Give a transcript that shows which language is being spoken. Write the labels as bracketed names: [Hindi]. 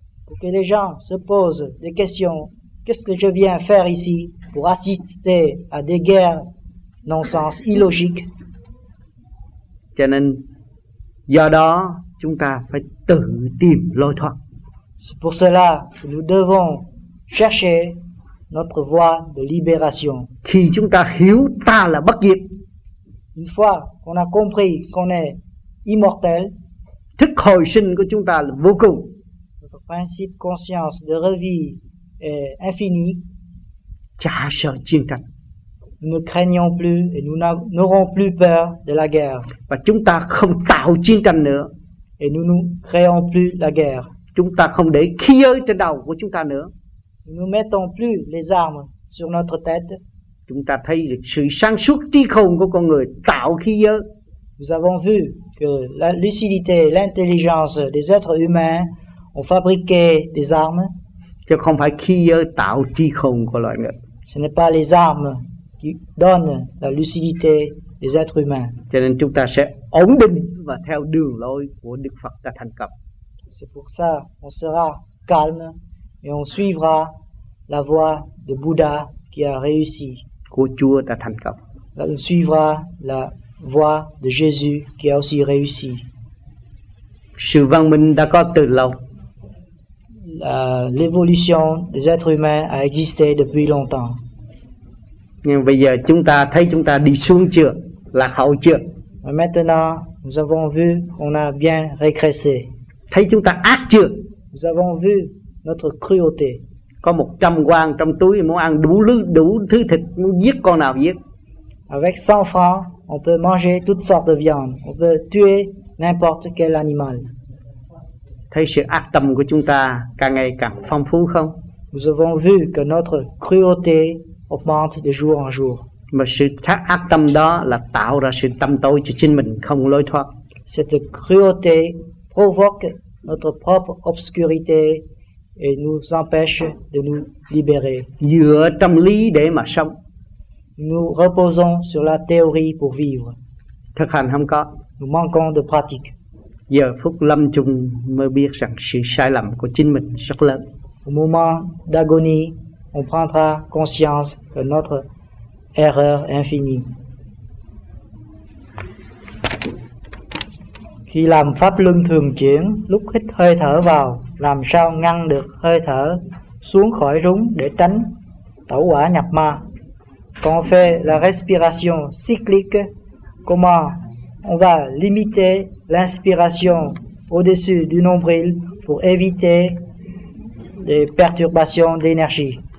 [French] Pour que les gens se posent des questions. Qu'est-ce que je viens faire ici pour assister à des guerres non-sens, illogiques? [Vietnamese] Cho nên do đó chúng ta phải tự tìm lối thoát. [French] C'est pour cela que nous devons chercher notre voie de libération. [Vietnamese] Khi chúng ta hiểu ta là bất diệt. [French] Une fois qu'on a compris qu'on est immortel, [Vietnamese] thức hồi sinh của chúng ta là vô cùng. [French] Notre principe conscience de revie est infini. [Vietnamese] Chả sợ chiến tranh. [French] Nous ne craignons plus et nous n'aurons plus peur de la guerre. [Vietnamese] Và chúng ta không tạo chiến tranh nữa. [French] Et nous ne créons plus la guerre. [Vietnamese] Chúng ta không để khí giới trên đầu của chúng ta nữa. [French] Nous ne mettons plus les armes sur notre tête. [Vietnamese] Chúng ta thấy sự sáng suốt trí khôn của con người tạo khí giới. [French] Nous avons vu que la lucidité et l'intelligence des êtres humains ont fabriqué des armes. [Vietnamese] Chứ không phải khí giới tạo trí khôn của loài người. [French] Ce n'est pas les armes qui donnent la lucidité des êtres humains. [Vietnamese] Cho nên chúng ta sẽ ổn định và theo đường lối của Đức Phật đã thành công. [French] C'est pour ça qu'on sera calme et on suivra la voie de Bouddha qui a réussi. [Vietnamese] Của Chúa đã thành công. [French] On suivra la voie de Jésus qui a aussi réussi. [Vietnamese] Sự văn minh đã có từ lâu. [French] L'évolution des êtres humains a existé depuis longtemps. [Vietnamese] Nhưng bây giờ chúng ta thấy chúng ta đi xuống chưa, lạc hậu chưa? [French] Mais maintenant, nous avons vu qu'on a bien régressé. [Vietnamese] Thấy chúng ta ác chưa? [French] Nous avons vu notre cruauté. [Vietnamese] Có 100 quan trong túi muốn ăn đủ thứ thịt, muốn giết con nào giết. [French] Avec 100 francs, on peut manger toutes sortes de viande. On peut tuer n'importe quel animal. [Vietnamese] Thấy sự ác tâm của chúng ta càng ngày càng phong phú không? [French] Nous avons vu que notre cruauté augmente de jour en jour. [Vietnamese] Mà sự ác tâm đó là tạo ra sự tâm tối cho chính mình không lối thoát. [French] Cette cruauté provoque notre propre obscurité et nous empêche de nous libérer. [Vietnamese] Dựa tâm lý để mà sống. [French] Nous reposons sur la théorie pour vivre. [Vietnamese] Thực hành không có. [French] Nous manquons de pratique. [Vietnamese] Giờ phút lâm chung mới biết rằng sự sai lầm của chính mình rất lớn. [French] Au moment d'agonie, on prendra conscience de notre erreur infinie. [Vietnamese] Khi làm pháp luân thường chuyển, lúc hít hơi thở vào, làm sao ngăn được hơi thở xuống khỏi rúng để tránh tẩu hỏa nhập ma? [French] Quand on fait la respiration cyclique, comment on va limiter l'inspiration au-dessus du nombril pour éviter des perturbations d'énergie?